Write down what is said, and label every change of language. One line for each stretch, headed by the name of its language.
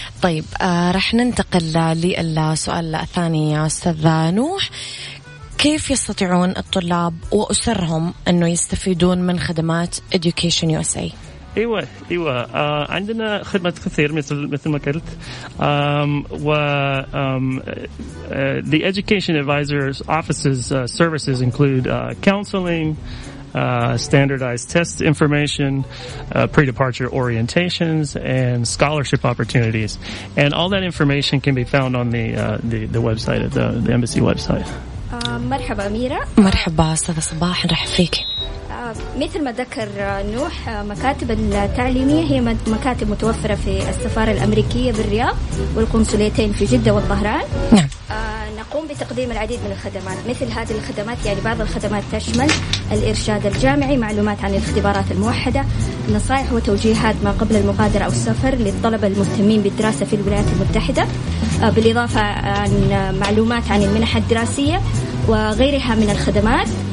Arabic: طيب رح ننتقل للسؤال الثاني يا أستاذ نوح. كيف يستطيعون الطلاب وأسرهم أنه يستفيدون من خدمات Education USA؟ أيوة عندنا خدمات كثير مثل ما قلت.
English: The Education Advisors Offices services include counseling, standardized test information, pre-departure orientations, and scholarship opportunities. And all that information can be found on the website, the embassy website.
Arabic: مرحبا أميرة. مرحبا أستاذة صباح، نرحب فيك. مثل ما ذكر نوح، مكاتب التعليمية هي مكاتب متوفرة في السفارة الأمريكية بالرياض والقنصليتين في جدة والطهران. نقوم بتقديم العديد من الخدمات. مثل هذه الخدمات، يعني بعض الخدمات تشمل الإرشاد الجامعي، معلومات عن الاختبارات الموحدة، نصائح وتوجيهات ما قبل المغادرة أو السفر للطلبة المهتمين بالدراسة في الولايات المتحدة، بالإضافة عن معلومات عن المنح الدراسية وغيرها من الخدمات.